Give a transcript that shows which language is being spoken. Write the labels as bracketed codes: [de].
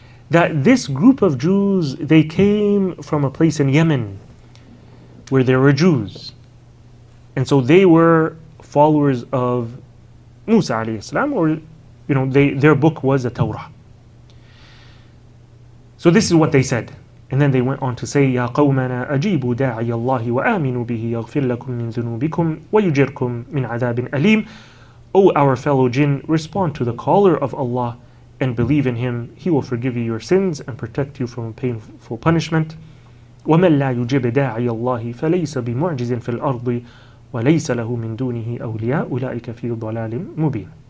[en] That this group of Jews, they came from a place in Yemen where there were Jews. And so they were followers of Musa alayhi salam, or you know, their book was the Torah. So this is what they said. And then they went on to say, [ar] يَا قَوْمَنَا أَجِيبُوا دَاعِيَ اللَّهِ وَآمِنُوا بِهِ يَغْفِرْ لَكُمْ مِنْ ذُنُوبِكُمْ وَيُجِرْكُمْ مِنْ عَذَابٍ أَلِيمٍ. [en] O our fellow jinn, respond to the caller of Allah and believe in him. He will forgive you your sins and protect you from a painful punishment. [ar] وَمَنْ لَا يُجِبْ دَاعِيَ اللَّهِ فَلَيْسَ بِمُعْجِزٍ فِي الْأَرْضِ وَلَيْسَ لَهُ مِنْ دُونِهِ أَوْلِيَاءُ أُولَئِكَ فِي ضَلَالٍ مُبِينٍ.